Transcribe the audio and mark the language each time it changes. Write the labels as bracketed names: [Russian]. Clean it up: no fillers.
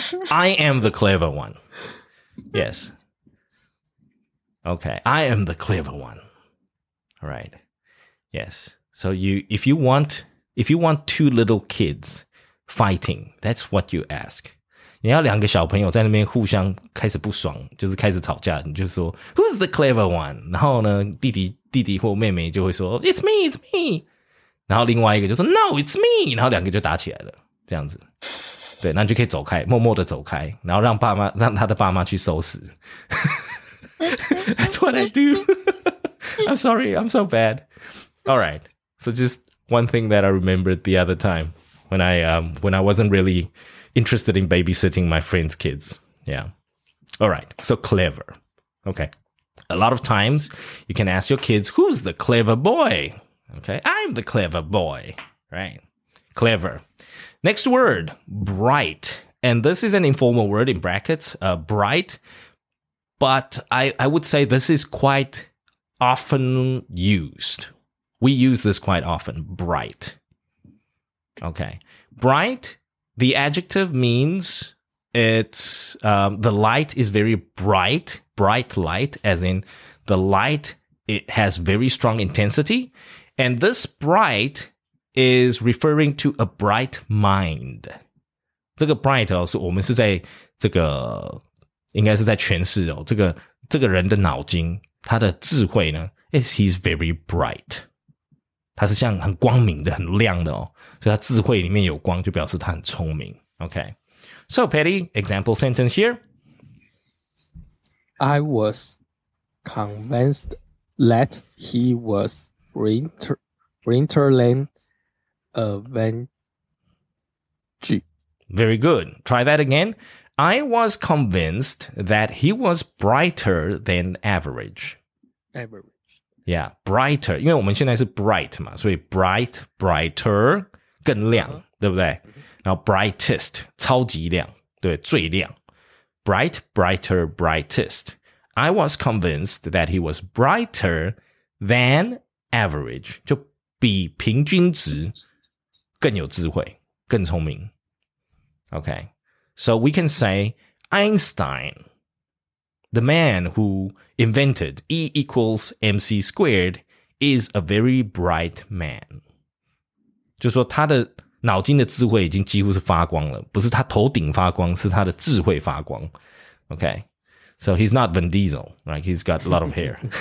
[English] I am the clever one. Yes. Okay. I am the clever one. All right. Yes. So, if you want two little kids... Fighting, that's what you ask. [Chinese] 你要两个小朋友在那边互相开始不爽，就是开始吵架，你就说 [English] Who's the clever one? [Chinese] 然后呢，弟弟或妹妹就会说 [English] It's me, it's me. [Chinese] 然后另外一个就说 [English] No, it's me. [Chinese] 然后两个就打起来了，这样子。对，那你就可以走开，默默的走开，然后让爸妈让他的爸妈去收拾。 [English] That's what I do. I'm sorry, I'm so bad. All right, so just one thing that I remembered the other time when I wasn't really interested in babysitting my friend's kids. Yeah. All right. So clever. Okay. A lot of times you can ask your kids, who's the clever boy? Okay. I'm the clever boy. Right. Clever. Next word, bright. And this is an informal word in brackets, bright. But I would say this is quite often used. We use this quite often, bright. Okay. Bright, the adjective means it's the light is very bright, bright light, as in the light, it has very strong intensity. And this bright is referring to a bright mind. [Chinese] 这个 bright 哦，是我们是在这个应该是在诠释哦，这个这个人的脑筋，他的智慧呢 ， [English] is he's very bright， [Chinese] 他是像很光明的、很亮的哦，所以他智慧里面有光，就表示他很聪明。 [English] Okay, so Patty, example sentence here. I was convinced that he was Winterland Avenger. Very good. Try that again. I was convinced that he was brighter than average. Average. Yeah, brighter. [Chinese] 因为我们现在是 bright 嘛，所以 bright, brighter, 更亮，对不对？然后 brightest, 超级亮，对，最亮。 [English] Bright, brighter, brightest. I was convinced that he was brighter than average. [Chinese] 就比平均值更有智慧，更聪明。 [English] Okay, so we can say Einstein, the man who invented E equals MC squared, is a very bright man. [Chinese] 就说他的脑筋的智慧已经几乎是发光了，不是他头顶发光，是他的智慧发光。 [English] Okay, so he's not Vin Diesel, right? He's got a lot of hair.